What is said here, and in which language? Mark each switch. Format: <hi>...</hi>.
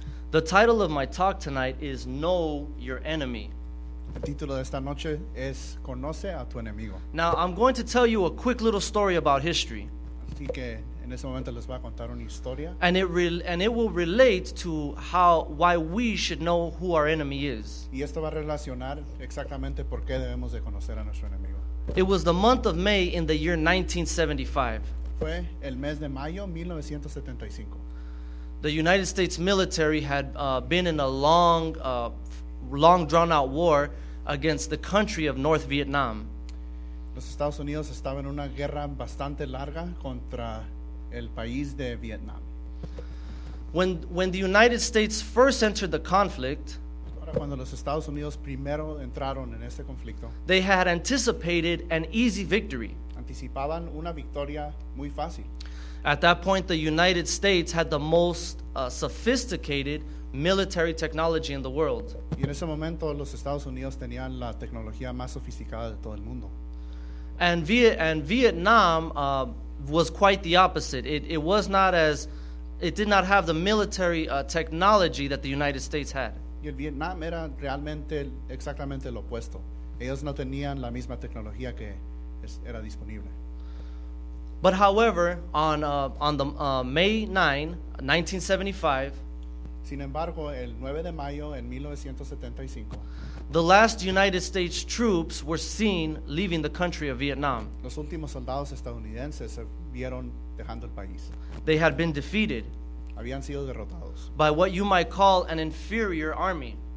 <en>The title of my talk tonight is Know Your Enemy.</en> <es>El título de esta noche es Conoce a tu enemigo.</es> <en>Now, I'm going to tell you a quick little story about history.</en> <es>Así que en ese momento les voy a contar una historia.</es> <en>And it will relate to why we should know who our enemy is.</en> <es>Y esto va a relacionar exactamente por qué debemos de conocer a nuestro enemigo.</es> <en>It was the month of May in the year 1975.</en> <es>Fue el mes de mayo 1975.</es> <en>The United States military had been in a long, long drawn-out war against the country of North Vietnam.</en> <es>Los Estados Unidos estaban en una guerra bastante larga contra el país de Vietnam.</es> <en>When the United States first entered the conflict,</en> <es>cuando los Estados Unidos primero entraron en este conflicto,</es> <en>they had anticipated an easy victory.</en> <es>Anticipaban una victoria muy fácil.</es> <en>At that point, the United States had the most sophisticated military technology in the world.</en> <es>Y en ese momento, los Estados Unidos tenían la tecnología más sofisticada de todo el mundo.</es> <en>And Vietnam was quite the opposite. It did not have the military technology that the United States had.</en> <es>Y el Vietnam era realmente exactamente lo opuesto. Ellos no tenían la misma tecnología que era disponible.</es> <en>But however, on the May 9, 1975,</en> <es>sin embargo, el 9 de mayo en 1975,</es> <en>the last United States troops were seen leaving the country of Vietnam.</en> <es>Los últimos soldados estadounidenses se vieron dejando el país.</es> <en>They had been defeated.</en> <es>Habían sido derrotados.</es> <en>By what you might call an inferior army.</en>